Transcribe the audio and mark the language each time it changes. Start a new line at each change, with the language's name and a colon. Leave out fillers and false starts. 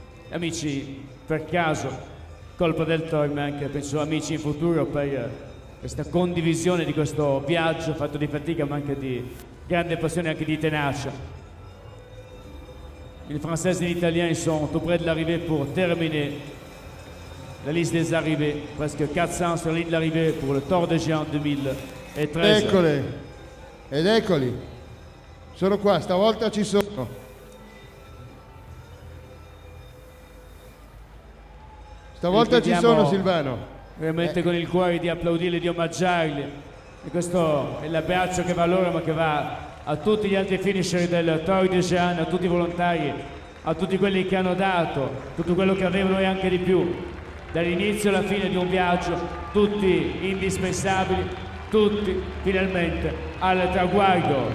Italian: Amici, per caso, colpa del toro, ma anche penso amici in futuro per questa condivisione di questo viaggio fatto di fatica ma anche di grande passione e anche di tenacia.
French: Les Français et les Italiens sont tout près de l'arrivée pour terminer la liste des arrivées. Presque 400 sur la ligne d'arrivée pour le Tour de Géant 2013.
Italian: Eccoli, ed eccoli. Sono qua, stavolta ci sono. Stavolta ci sono, Silvano. Veramente con il cuore di applaudirli, di omaggiarli. E questo è l'abbraccio che va a loro, ma che va a tutti gli altri finisher del Tour de Géant, a tutti i volontari, a tutti quelli che hanno dato tutto quello che avevano e anche di più, dall'inizio alla fine di un viaggio, tutti indispensabili, tutti finalmente al traguardo.